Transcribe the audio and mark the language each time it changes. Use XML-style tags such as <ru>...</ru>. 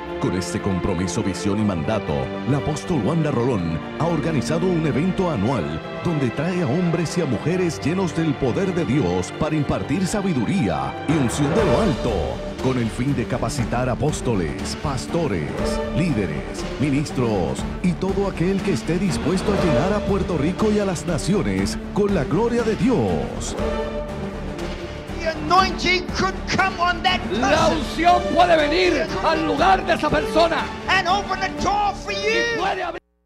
<es>Con este compromiso, visión y mandato, la apóstol Wanda Rolón ha organizado un evento anual donde trae a hombres y a mujeres llenos del poder de Dios para impartir sabiduría y unción de lo alto, con el fin de capacitar apóstoles, pastores, líderes, ministros y todo aquel que esté dispuesto a llegar a Puerto Rico y a las naciones con la gloria de Dios.</es> <en>Anointing could come on that person.</en> <es>La unción puede venir al lugar de esa persona.</es> <en>And open the door for you.</en>